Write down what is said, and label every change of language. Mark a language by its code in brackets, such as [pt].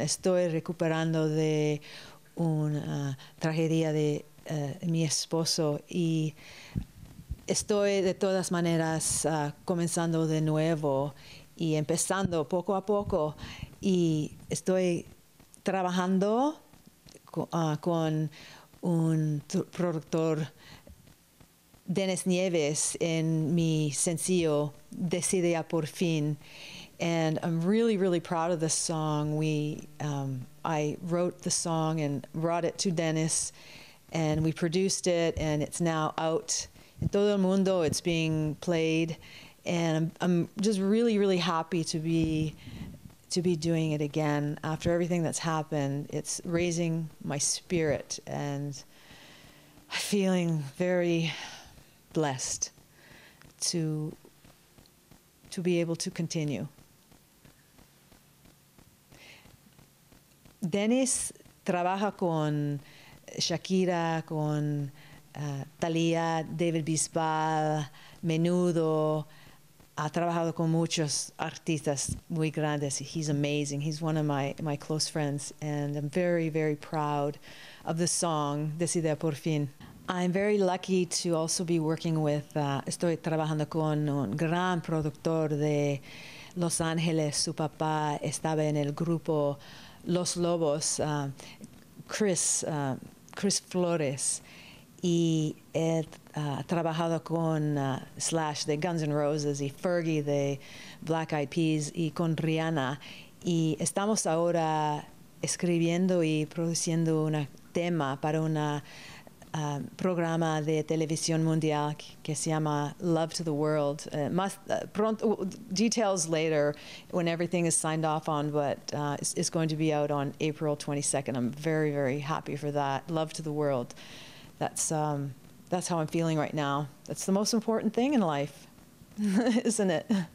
[es] Estoy recuperando de una tragedia de mi esposo y estoy de todas maneras comenzando de nuevo y empezando poco a poco. Y estoy trabajando con un productor, Dennis Nieves, en mi sencillo Decidea por fin. [en] And I'm really, really proud of this song. I wrote the song and brought it to Dennis, and we produced it, and it's now out in [es] todo el mundo. [en] It's being played, and I'm just really, really happy to be doing it again after everything that's happened. It's raising my spirit and feeling very blessed to be able to continue. [es] Dennis trabaja con Shakira, con Thalía, David Bisbal, Menudo. Ha trabajado con muchos artistas muy grandes. [en] He's amazing. He's one of my close friends. And I'm very, very proud of the song, Decidea por fin. I'm very lucky to also be working with, [es] estoy trabajando con un gran productor de Los Ángeles. Su papá estaba en el grupo Los Lobos, Chris Flores, y he trabajado con Slash de Guns N' Roses y Fergie de Black Eyed Peas y con Rihanna, y estamos ahora escribiendo y produciendo un tema para un programa de televisión mundial que se llama Love to the World. Pronto, [en] details later when everything is signed off on, but it's going to be out on April 22nd. I'm very, very happy for that. Love to the World. That's That's how I'm feeling right now. That's the most important thing in life, isn't it?